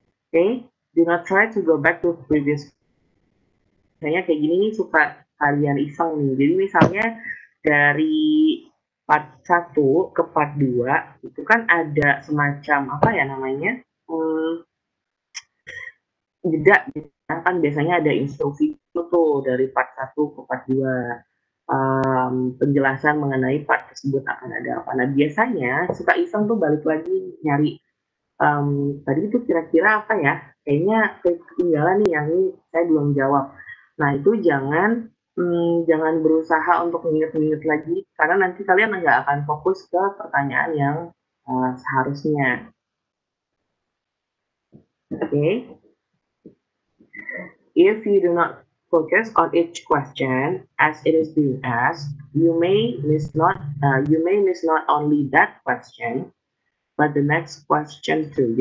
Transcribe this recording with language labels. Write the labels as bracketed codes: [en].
[en] Okay, do not try to go back to previous. [id] Misalnya kayak gini nih, suka kalian iseng nih. Jadi misalnya dari part 1 ke part 2 itu kan ada semacam apa ya namanya jeda, kan biasanya ada instruksi itu tuh dari part 1 ke part 2. Penjelasan mengenai part tersebut akan ada apa. Nah, biasanya suka iseng tuh balik lagi nyari tadi itu kira-kira apa ya, kayaknya ketinggalan nih yang ini saya belum jawab. Nah, itu jangan jangan berusaha untuk mengingat-ingat lagi, karena nanti kalian nggak akan fokus ke pertanyaan yang seharusnya. [en] Okay. If you do not focus on each question as it is being asked, you may miss not only that question, but the next question too.